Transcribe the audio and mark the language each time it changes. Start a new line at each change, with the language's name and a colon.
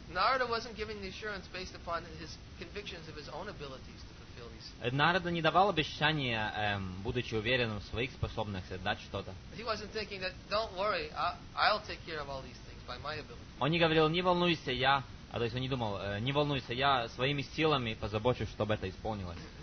English: Нарада wasn't giving the assurance based upon his convictions of his own abilities to fulfill these.
Russian: Нарада не давал обещания, будучи уверенным в своих способностях дать что-то.
English: He wasn't thinking that, don't worry, I'll take care of all these things by my ability.
Russian: Он не говорил, не волнуйся, я. А то есть он не думал, не волнуйся, я своими силами позабочусь, чтобы это исполнилось.